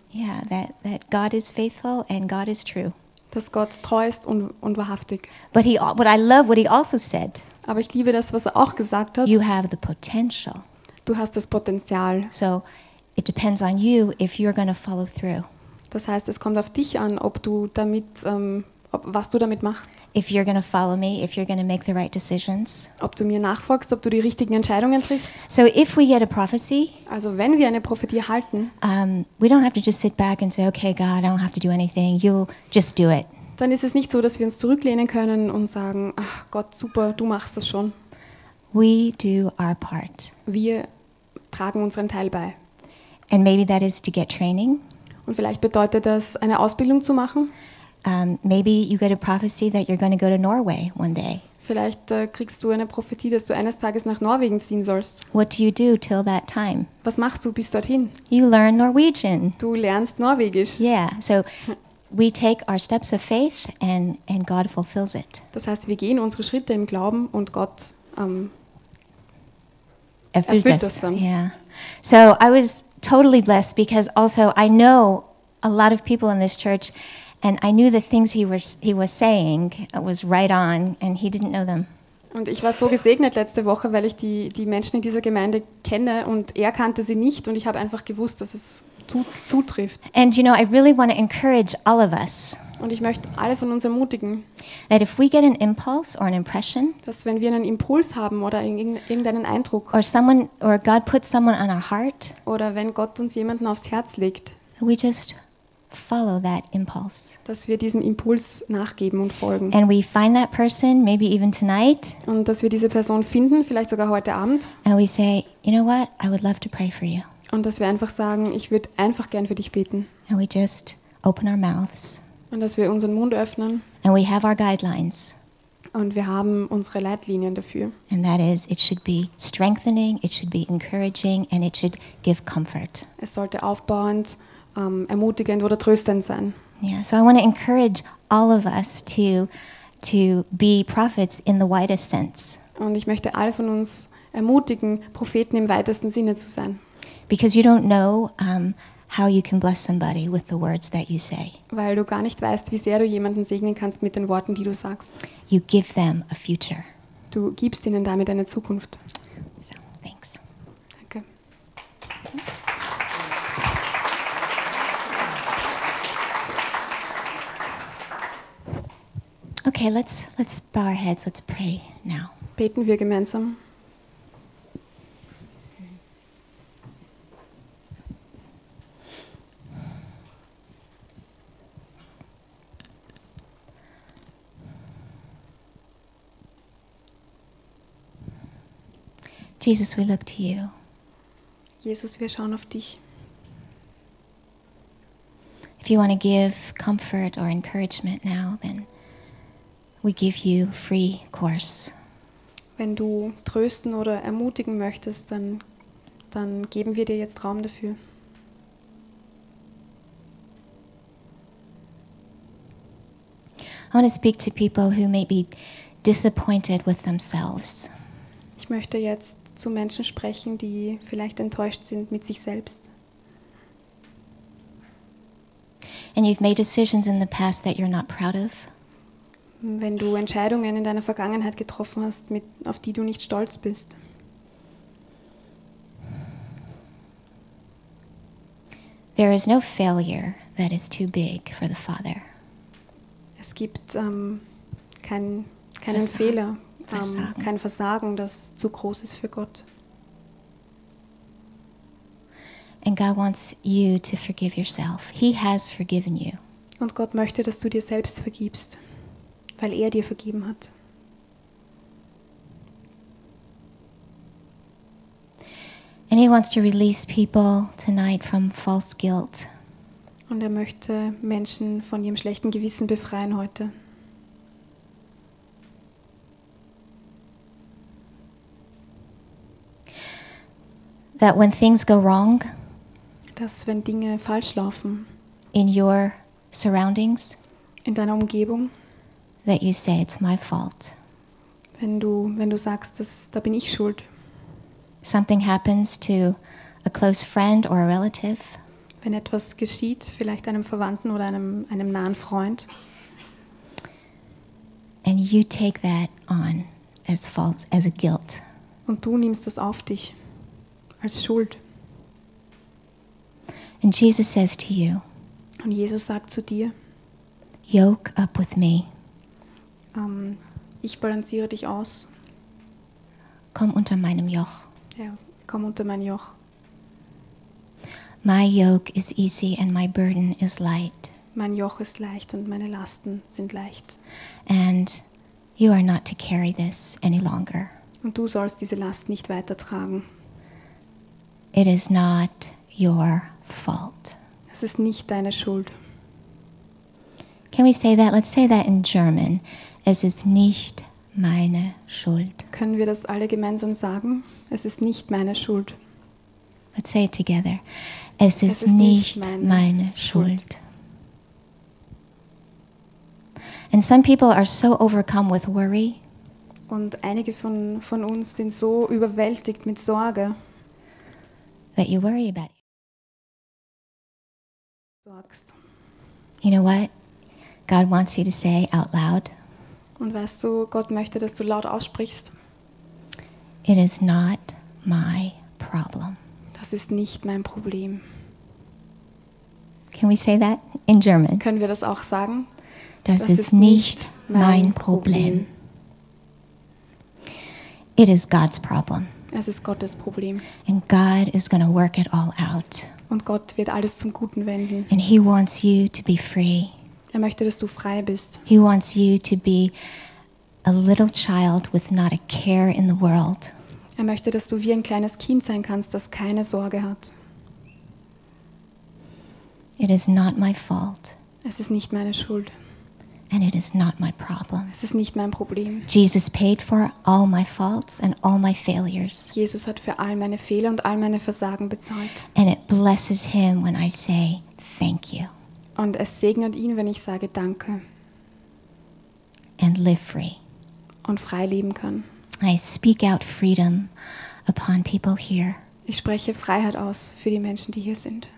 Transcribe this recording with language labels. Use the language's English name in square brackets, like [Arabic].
[English] Yeah, that God is faithful and God is true. [German] Dass Gott treu ist und wahrhaftig. [English] But he, what I love, what he also said. [German] Aber ich liebe das, was er auch gesagt hat. [English] You have the potential. [German] Du hast das Potenzial. [English] So, it depends on you if you're going to follow through. [German] Das heißt, es kommt auf dich an, ob du damit, was du damit machst. [English] If you're going to follow me, if you're going to make the right decisions. [German] Ob du mir nachfolgst, ob du die richtigen Entscheidungen triffst. [English] So, if we get a prophecy. [German] Also, wenn wir eine Prophetie halten. [English] We don't have to just sit back and say, okay, God, I don't have to do anything. You'll just do it. [German] Dann ist es nicht so, dass wir uns zurücklehnen können und sagen, ach Gott, super, du machst das schon. [English] We do our part. [German] Wir tragen unseren Teil bei. [English] And maybe that is to get training. [German] Und vielleicht bedeutet das, eine Ausbildung zu machen. [English] Maybe you get a prophecy that you're going to go to Norway one day. [German] Vielleicht kriegst du eine Prophetie, dass du eines Tages nach Norwegen ziehen sollst. [English] What do you do till that time? [German] Was machst du bis dorthin? [English] You learn Norwegian. [German] Du lernst Norwegisch. [English] Yeah, so we take our steps of faith and God fulfills it. [German] Das heißt, wir gehen unsere Schritte im Glauben und Gott erfüllt das dann. [English] Yeah. So I was totally blessed because also I know a lot of people in this church and I knew the things he was saying was right on and he didn't know them. [German] Und ich war so gesegnet letzte Woche, weil ich die Menschen in dieser Gemeinde kenne und er kannte sie nicht und ich habe einfach gewusst, dass es zutrifft. [English] And you know, I really want to encourage all of us. [German] Und ich möchte alle von uns ermutigen. [English] That if we get an impulse or an impression, [German] dass wenn wir einen Impuls haben oder irgendeinen Eindruck, [English] or someone or God puts someone on our heart, [German] oder wenn Gott uns jemanden aufs Herz legt, [English] we just follow that impulse. [German] Dass wir diesem Impuls nachgeben und folgen. [English] And we find that person, maybe even tonight. [German] Und dass wir diese Person finden, vielleicht sogar heute Abend. [English] And we say, you know what? I would love to pray for you. [German] Und dass wir einfach sagen, ich würde einfach gern für dich beten. [English] And we just open our mouths. [German] Und dass wir unseren Mund öffnen. [English] And we have our guidelines. [German] Und wir haben unsere Leitlinien dafür. [English] And that is, it should be strengthening, it should be encouraging, and it should give comfort. [German] Es sollte aufbauend, ermutigend oder tröstend sein. [English] Yeah, so I want to encourage all of us to be prophets in the widest sense. [German] Und ich möchte alle von uns ermutigen, Propheten im weitesten Sinne zu sein. [English] Because you don't know how you can bless somebody with the words that you say. [German] Weil du gar nicht weißt, wie sehr du jemanden segnen kannst mit den Worten, die du sagst. [English] You give them a future. [German] Du gibst ihnen damit eine Zukunft. [English] So, thanks. [German] Danke. [English] Okay, let's bow our heads, let's pray now. [German] Beten wir gemeinsam. [English] Jesus, we look to you. [German] Jesus, wir schauen auf dich. [English] If you want to give comfort or encouragement now, then we give you free course. [German] Wenn du trösten oder ermutigen möchtest, dann geben wir dir jetzt Raum dafür. [English] I want to speak to people who may be disappointed with themselves. [German] Ich möchte jetzt zu Menschen sprechen, die vielleicht enttäuscht sind mit sich selbst. [English] And you've made decisions in the past that you're not proud of. [German] Wenn du Entscheidungen in deiner Vergangenheit getroffen hast, auf die du nicht stolz bist. [English] There is no failure that is too big for the Father. [German] Es gibt keinen Fehler. Kein Versagen, das zu groß ist für Gott. [English] And God wants you to forgive yourself. He has forgiven you. [German] Und Gott möchte, dass du dir selbst vergibst, weil er dir vergeben hat. [English] And he wants to release people tonight from false guilt. [German] Und er möchte Menschen von ihrem schlechten Gewissen befreien heute. [English] that when things go wrong, [German] dass wenn Dinge falsch laufen, [English] in your surroundings, [German] in deiner Umgebung, [English] that you say it's my fault. [German] Wenn du sagst, da bin ich schuld. [English] Something happens to a close friend or a relative. [German] Wenn etwas geschieht, vielleicht einem Verwandten oder einem nahen Freund. [English] And you take that on as fault, as a guilt. [German] Und du nimmst das auf dich als Schuld. [English] And Jesus says to you. [German] Und Jesus sagt zu dir. [English] Yoke up with me. [German] Ich balanciere dich aus. Komm unter meinem Joch. Ja, komm unter mein Joch. [English] My yoke is easy and my burden is light. [German] Mein Joch ist leicht und meine Lasten sind leicht. [English] And you are not to carry this any longer. [German] Und du sollst diese Last nicht weiter tragen. [English] It is not your fault. [German] Es ist nicht deine Schuld. [English] Can we say that? Let's say that in German. [German] Es ist nicht meine Schuld. Können wir das alle gemeinsam sagen? Es ist nicht meine Schuld. [English] Let's say it together. [German] Es ist nicht meine Schuld. [English] And some people are so overcome with worry. [German] Und einige von uns sind so überwältigt mit Sorge. [English] That you worry about it. [German] Sorgst. [English] You know what? God wants you to say out loud. [German] Und weißt du, Gott möchte, dass du laut aussprichst. [English] It is not my problem. [German] Das ist nicht mein Problem. [English] Can we say that in German? [German] Können wir das auch sagen? Das ist nicht mein Problem. [English] It is God's problem. [German] Es ist Gottes Problem. [English] And God is going to work it all out. [German] Und Gott wird alles zum Guten wenden. [English] And he wants you to be free. [German] Er möchte, dass du frei bist. [English] He wants you to be a little child with not a care in the world. [German] Er möchte, dass du wie ein kleines Kind sein kannst, das keine Sorge hat. [English] It is not my fault. [German] Es ist nicht meine Schuld. [English] And it is not my problem. [German] Es ist nicht mein Problem. [English] Jesus paid for all my faults and all my failures. [German] Jesus hat für all meine Fehler und all meine Versagen bezahlt. [English] And it blesses him when I say thank you. [German] Und es segnet ihn, wenn ich sage danke. [English] And live free. [German] Und frei leben kann. [English] I speak out freedom upon people here. [German] Ich spreche Freiheit aus für die Menschen, die hier sind.